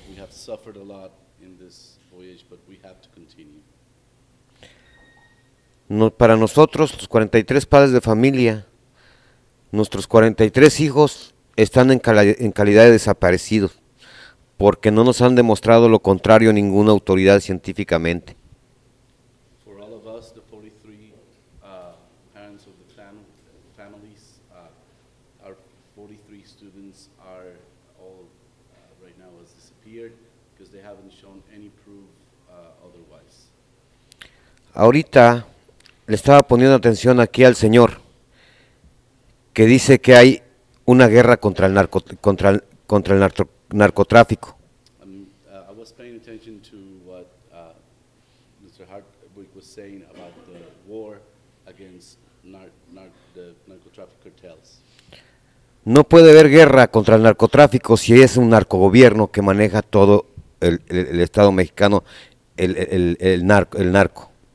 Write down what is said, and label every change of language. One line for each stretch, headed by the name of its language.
English: Suffered a lot in this voyage, but we have to continue.
Spanish: No, para nosotros, los 43 padres de familia, nuestros 43 hijos están en calidad de desaparecidos, porque no nos han demostrado lo contrario ninguna autoridad científicamente.
English: For all of us, the 43 parents of the families, our 43 students are all right now has disappeared because they haven't shown any proof otherwise.
Spanish: Ahorita le estaba poniendo atención aquí al señor que dice que hay una guerra contra el narco, contra el narcotráfico.
English: I was paying attention to what Mr. Hartwig was saying about the war against the narcotraffic cartels.
Spanish: No puede haber guerra contra el narcotráfico si es un narcogobierno que maneja todo el Estado mexicano, el narco.